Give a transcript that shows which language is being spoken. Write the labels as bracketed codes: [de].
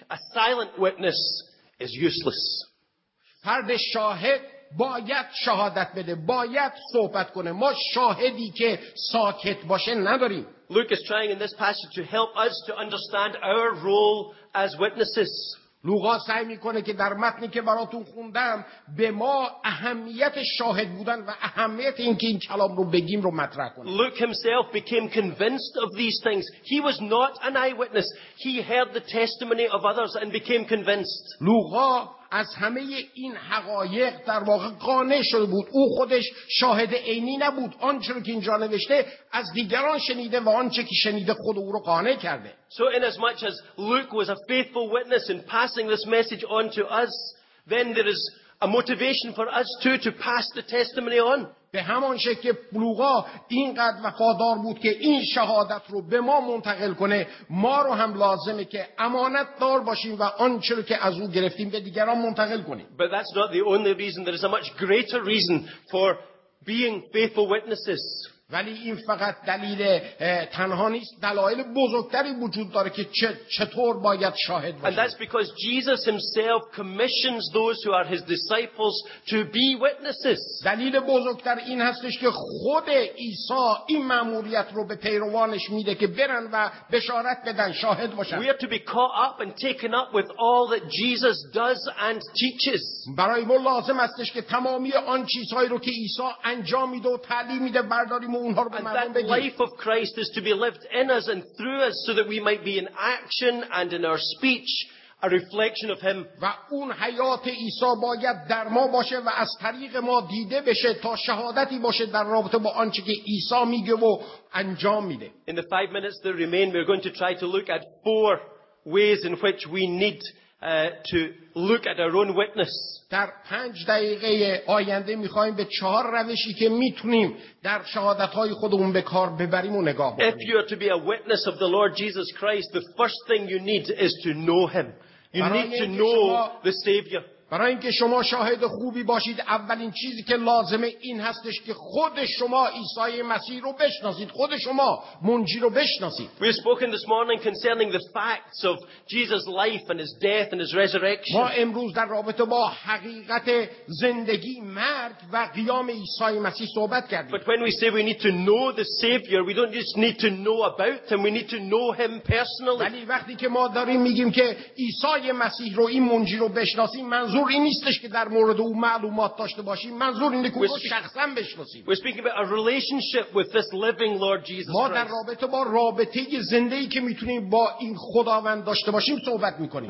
[en] A silent witness is useless. [fa] فرد شاهد باید شهادت بده، باید صحبت کنه. ما شاهدی که ساکت باشه نداریم. [en] Luke is trying in this passage to help us to understand our role as witnesses. [fa] لوقا سعی میکنه که در متنی که براتون خوندم به ما اهمیت شاهد بودن و اهمیت اینکه این کلام رو بگیم رو مطرح کنه. [en] Luke himself became convinced of these things. He was not an eyewitness. He heard the testimony of others and became convinced. [fa] لوقا از همه این حقایق در واقع قانع شده بود. او خودش شاهد عینی نبود. آنچه که اینجا نوشته از دیگران شنیده و آنچه که شنیده خود او را قانع کرده. [en] So in as much as Luke was a faithful witness in passing this message on to us, then there is a motivation for us too to pass the testimony on. [fa] به همان شکل که لوقا اینقدر وفادار بود که این شهادت رو به ما منتقل کنه، ما رو هم لازمه که امانت دار باشیم و آنچه رو که از او گرفتیم به دیگران منتقل کنیم. [en] But that's not the only reason. There is a much greater reason for being faithful witnesses. [fa] ولی این فقط دلیل تنها نیست، دلایل بزرگتری وجود داره که چطور باید شاهد باشه. [en] And that's because Jesus himself commissions those who are his disciples to be witnesses. [fa] دلیل بزرگتر این هستش که خود عیسی این مأموریت رو به پیروانش میده که برن و بشارت بدن، شاهد باشن. [en] We have to be caught up and taken up with all that Jesus does and teaches. [fa] برای ما لازم هستش که تمامی آن چیزهایی رو که عیسی انجام میده و تعلیم میده برداریم. [en] And that life of Christ is to be lived in us and through us so that we might be in action and in our speech a reflection of him. [fa] و اون حیات عیسی باید در ما باشه و از طریق ما دیده بشه تا شهادتی باشه در رابطه با آنچه که عیسی میگه و انجام میده. [en] In the 5 minutes that remain, we're going to try to look at 4 ways in which we need to look at our own witness. [fa] در 5 دقیقه آینده می‌خوایم به 4 روشی که می‌تونیم در شهادت‌های خودمون به کار ببریم و نگاه بکنیم. [en] If you are to be a witness of the Lord Jesus Christ, the first thing you need is to know him. You need to know the Savior. [fa] برای اینکه شما شاهد خوبی باشید، اولین چیزی که لازمه این هستش که خود شما عیسی مسیح رو بشناسید، خود شما منجی رو بشناسید. [en] We have spoken this morning concerning the facts of Jesus' life and his death and his resurrection. [fa] ما امروز در رابطه با حقیقت زندگی، مرگ و قیام عیسی مسیح صحبت کردیم. [en] But when we say we need to know the Savior, we don't just need to know about him, we need to know him personally. [fa] ولی وقتی که ما داریم میگیم که عیسی مسیح رو، این منجی رو بشناسیم، منظور این نیستش که در مورد او معلومات داشته باشیم، منظور اینه که او رو شخصا بشناسیم. [en] We're speaking about a relationship with this living Lord Jesus Christ. [fa] ما در رابطه با رابطه زندگی که میتونیم با این خداوند داشته باشیم صحبت میکنیم.